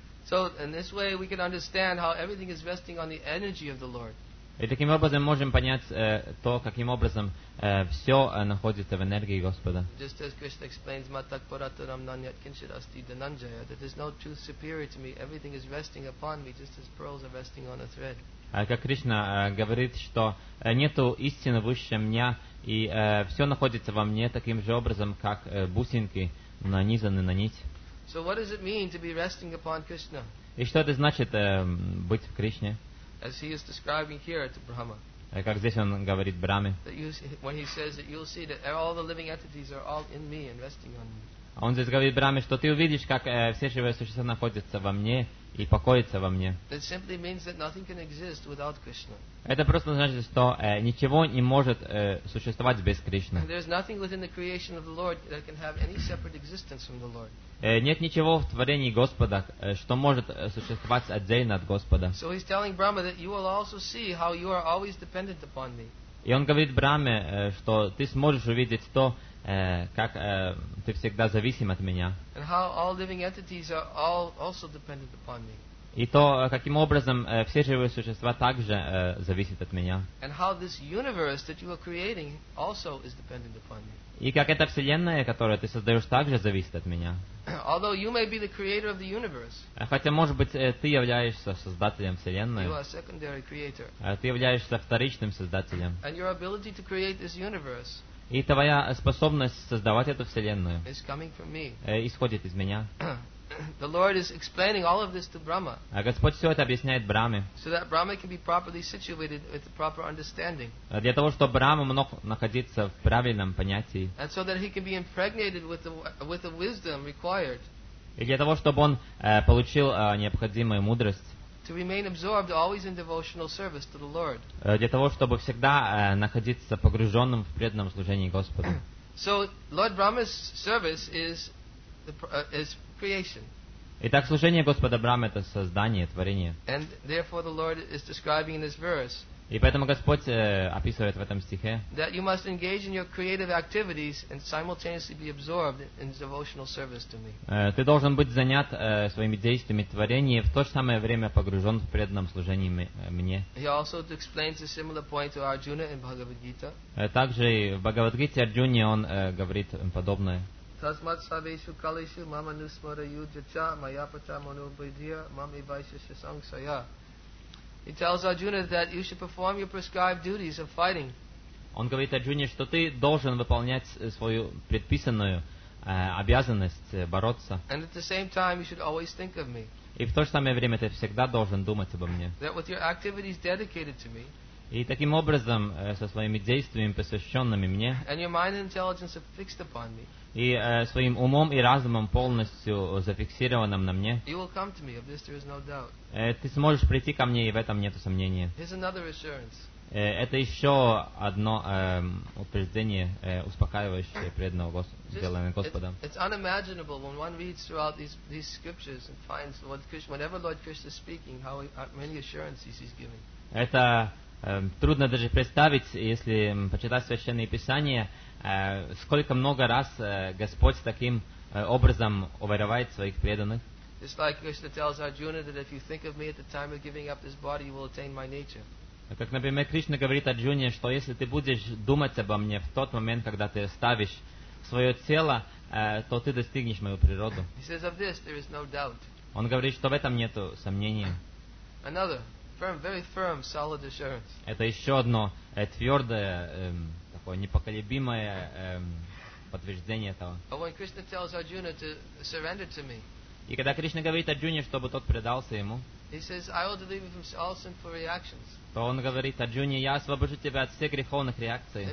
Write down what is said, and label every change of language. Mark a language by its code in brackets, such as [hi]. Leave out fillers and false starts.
[en] So in this way we can understand how everything is resting on the energy of the Lord. [ru] И таким образом можем понять то, каким образом всё находится в энергии Господа. [en] Just as Krishna explains, [sa] matak paraturam nanyat kinchit asti dananjaya, [en] that there's no truth superior to me, everything is resting upon me, just as pearls are resting on a thread. [ru] Как Кришна говорит, что нету истины выше меня, и всё находится во мне таким же образом, как бусинки нанизаны на нить. [en] So what does it mean to be resting upon Krishna? [ru] И что это значит быть в Кришне? [en] As he is describing here to Brahma. [ru] Как здесь он говорит Браме. [en] When he says that you'll see that all the living entities are all in me and resting on me. [ru] Он здесь говорит Браме, что ты увидишь, как все живые существа находятся во мне и покоятся во мне. [en] That simply means that nothing can exist without Krishna. [ru] Это просто значит, что ничего не может существовать без Кришны. [en] There's nothing within the creation of the Lord that can have any separate existence from the Lord. [ru] Нет ничего в творении Господа, что может существовать отдельно от Господа. [en] So he's telling Brahma that you will also see how you are always dependent upon me. [ru] И он говорит Браме, что ты сможешь увидеть то, как ты всегда зависим от меня. [en] And how all living entities are all also dependent upon me. [ru] И то, каким образом все живые существа также зависят от меня. [en] And how this universe that you are creating also is dependent upon me. [ru] И как эта вселенная, которую ты создаешь, также зависит от меня. [en] Although you may be the creator of the universe, [ru] хотя, может быть, ты являешься создателем вселенной. [en] You are a secondary creator. [ru] Ты являешься вторичным создателем. [en] And your ability to create this universe. [ru] И твоя способность создавать эту вселенную. [en] Is coming from me. [ru] Исходит из меня. [en] The Lord is explaining all of this to Brahma. [ru] А Господь все это объясняет Браме. [en] So that Brahma can be properly situated with the proper understanding. [ru] Для того, чтобы Брама мог находиться в правильном понятии. [en] And so that he can be impregnated with the wisdom required. [ru] И для того, чтобы он получил необходимую мудрость. [en] To remain absorbed always in devotional service to the Lord. [ru] Для того, чтобы всегда находиться погруженным в преданном служении Господу. [en] So Lord Brahma's service is creation. [ru] Итак, служение Господа Брамы — это создание, творение. [en] And therefore the Lord is describing in this verse. [ru] И поэтому Господь описывает в этом стихе. [en] That you must engage in your creative activities and simultaneously be absorbed in devotional service to me. [ru] Ты должен быть занят своими действиями творения и в то же самое время погружен в преданном служении мне. [en] He also explains a similar point to Arjuna in Bhagavad Gita. [ru] Также в Бхагавадгите Арджуне он говорит подобное. [sa] Tasmat saveshu kaleshu mama nusmara yudhya cha mayapata manubhidhya mam ivaishya shasang saya. [en] He tells Arjuna that you should perform your prescribed duties of fighting. [ru] Он говорит Арджуне, что ты должен выполнять свою предписанную обязанность бороться. [en] And at the same time, you should always think of me. [ru] И в то же самое время ты всегда должен думать обо мне. [en] That with your activities dedicated to me. [ru] И таким образом со своими действиями, посвященными мне. [en] And your mind and intelligence are fixed upon me. [ru] И своим умом и разумом полностью зафиксированным на мне. [en] You will come to me, of this there is no doubt. [ru] Ты сможешь прийти ко мне, и в этом нет сомнения. [en] Here's another assurance. [ru] Это еще одно утверждение, успокаивающее преданного сделанное Господом. [en] It's unimaginable when one reads throughout these scriptures and finds Lord Krishna, whenever Lord Krishna is speaking, how many assurances he's giving. [ru] Это трудно даже представить, если почитать Священные Писания, сколько много раз Господь таким образом уверяет своих преданных. [en] Just like Krishna tells Arjuna that if you think of me at the time of giving up this body, you will attain my nature. [ru] Как, например, Кришна говорит Арджуне, что если ты будешь думать обо мне в тот момент, когда ты оставишь свое тело, то ты достигнешь мою природу. [en] He says, of this, there is no doubt. [ru] Он говорит, что в этом нет сомнения. [en] Another, firm, very firm, solid assurance. [ru] Это еще одно твердое, такое непоколебимое подтверждение этого. [en] But when Krishna tells Arjuna to surrender to me, [ru] и когда Кришна говорит Арджуне, чтобы тот предался ему, [en] He says, I will deliver you from all sinful reactions. [ru] То он говорит, Арджуне, я освобожу тебя от всех греховных реакций.